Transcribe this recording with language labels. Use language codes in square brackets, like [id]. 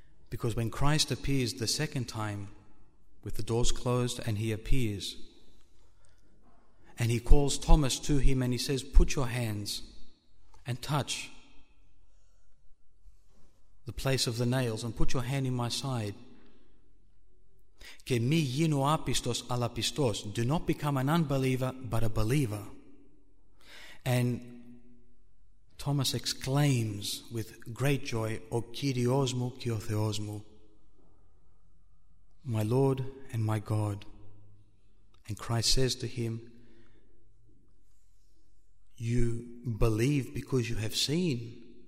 [en] Because when Christ appears the second time with the doors closed and he appears And he calls Thomas to him and he says, put your hands and touch the place of the nails and put your hand in my side. [el] Και μη γίνω άπιστος αλλά πιστός. [en] Do not become an unbeliever but a believer. And Thomas exclaims with great joy, [el] ο Κύριός μου και ο Θεός μου. [en] My Lord and my God. And Christ says to him, you believe because you have seen.